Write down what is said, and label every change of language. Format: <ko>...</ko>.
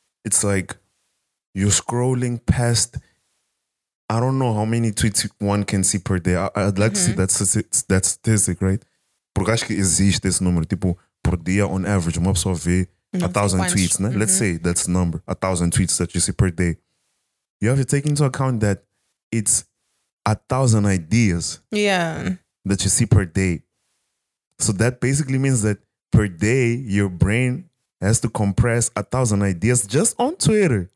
<en>It's like you're scrolling past, I don't know how many tweets one can see per day. I'd like to see that statistic, right?</en> <pt>Porque acho que existe esse número. Tipo, por dia,</pt> <en>on average,</en> <pt>uma pessoa vê 1,000 tweets, né?</pt> <en>Let's say that's the number. 1,000 tweets that you see per day. You have to take into account that it's 1,000 ideas that you see per day. So that basically means that per day, your brain has to compress 1,000 ideas just on Twitter.</en>